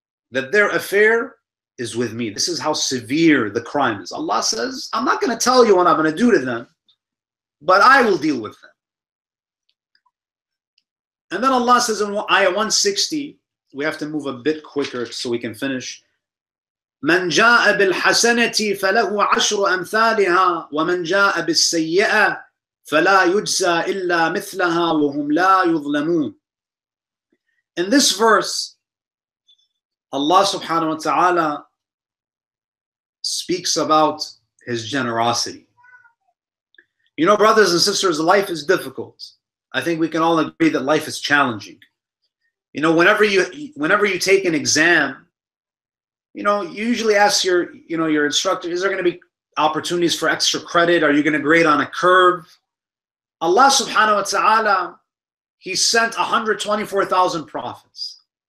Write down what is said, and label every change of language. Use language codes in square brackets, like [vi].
[en] That their affair is with me. This is how severe the crime is. Allah says, I'm not going to tell you what I'm going to do to them, but I will deal with them. And then Allah says in Ayah 160, we have to move a bit quicker so we can finish. [ar] مَنْ جَاءَ بِالْحَسَنَةِ فَلَهُ عَشْرُ أَمْثَالِهَا وَمَنْ جَاءَ بِالسَّيِّئَةِ فَلَا يُجْزَى إِلَّا مِثْلَهَا وَهُمْ لَا يُظْلَمُونَ. [en] In this verse, Allah subhanahu wa ta'ala speaks about His generosity. You know, brothers and sisters, life is difficult. I think we can all agree that life is challenging. You know, whenever you take an exam, you know, you usually ask your instructor, is there going to be opportunities for extra credit? Are you going to grade on a curve? Allah subhanahu wa ta'ala, He sent 124,000 prophets.